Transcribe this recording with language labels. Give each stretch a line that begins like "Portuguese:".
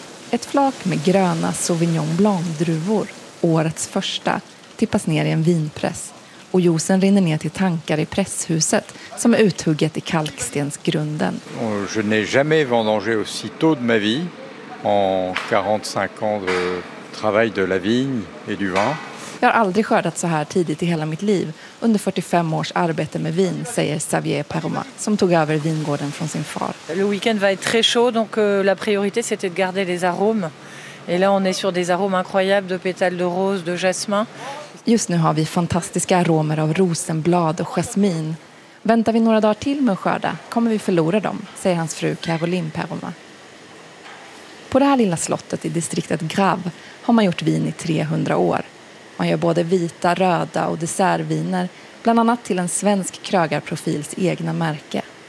Swedish: Ett flak med gröna Sauvignon Blanc-druvor, årets första, tippas ner i en vinpress. Och juicen rinner ner till tankar i presshuset som är uthugget i kalkstensgrunden. Jag har aldrig
French: vendangé aussi tôt de ma vie en 45 ans de travail de la vigne et du vin.
Swedish: Jag har aldrig skördat så här tidigt i hela mitt liv under 45 års arbete med vin, säger Xavier Peromat, som tog över vingården från sin far.
French: Le weekend va être très chaud donc la priorité c'était de garder les arômes. Et là on est sur des arômes incroyables de pétales de rose, de jasmin.
Swedish: Just nu har vi fantastiska aromer av rosenblad och jasmin. Väntar vi några dagar till med att skörda kommer vi förlora dem, säger hans fru Caroline Peromat. På det här lilla slottet i distriktet Grave har man gjort vin i 300 år. Man gör både vita, röda och dessertviner, bland annat till en svensk krögarprofils egna märke.